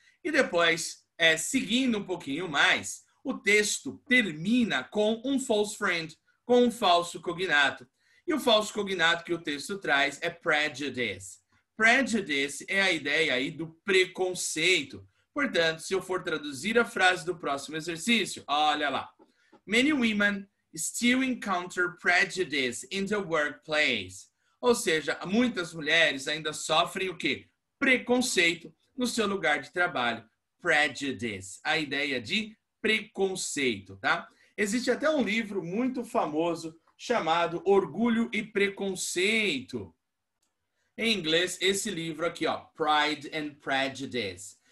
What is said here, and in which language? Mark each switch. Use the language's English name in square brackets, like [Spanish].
[Portuguese] E depois, seguindo um pouquinho mais, o texto termina com um false friend, com um falso cognato. E o falso cognato que o texto traz é prejudice. Prejudice é a ideia aí do preconceito. Portanto, se eu for traduzir a frase do próximo exercício, olha lá. [English] Many women still encounter prejudice in the workplace. [Portuguese] Ou seja, muitas mulheres ainda sofrem o quê? Preconceito no seu lugar de trabalho. Prejudice, a ideia de preconceito, tá? Existe até um livro muito famoso chamado Orgulho e Preconceito. Em inglês, esse livro aqui, ó, Pride and Prejudice.